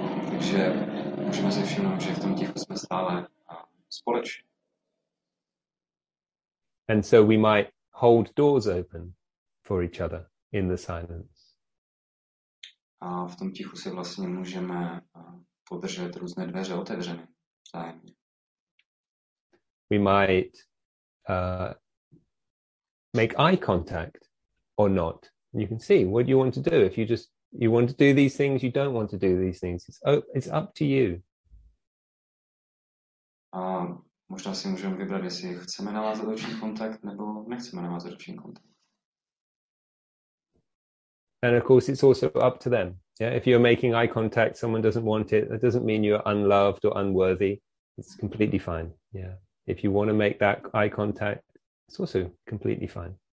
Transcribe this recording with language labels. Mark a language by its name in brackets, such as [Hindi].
[Czech] Takže můžeme si všimnout, že v tom tichu jsme stále společně. [English] And so we might hold doors open for each other in the silence. [Czech] A v tom tichu se vlastně můžeme podržet různé dveře otevřené vzájemně. [English] We might make eye contact or not. You can see what you want to do. If you want to do these things, you don't want to do these things. It's up to you. [Czech] Možná si můžeme vybrat, jestli chceme navázat oční kontakt nebo nechceme navázat oční kontakt. [English] And of course, it's also up to them. Yeah, if you're making eye contact, someone doesn't want it. That doesn't mean you're unloved or unworthy. It's completely fine. Yeah. If you want to make that eye contact, it's also completely fine.